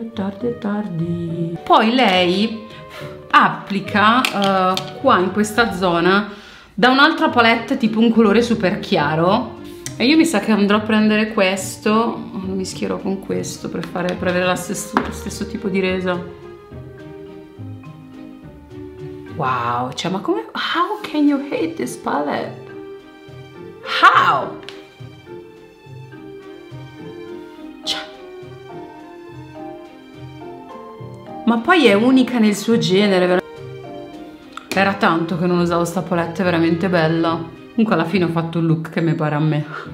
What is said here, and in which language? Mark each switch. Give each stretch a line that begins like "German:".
Italian: È tardi, è tardi. Poi lei applica qua in questa zona da un'altra palette, tipo un colore super chiaro. E io mi sa che andrò a prendere questo, lo mischierò con questo per fare, per avere lo stesso tipo di resa. Wow, cioè, ma come...
English: How can you hate this palette? How?
Italian: Cioè, ma poi è unica nel suo genere, veramente. Era tanto che non usavo sta palette, è veramente bella. Comunque alla fine ho fatto un look che mi pare a me.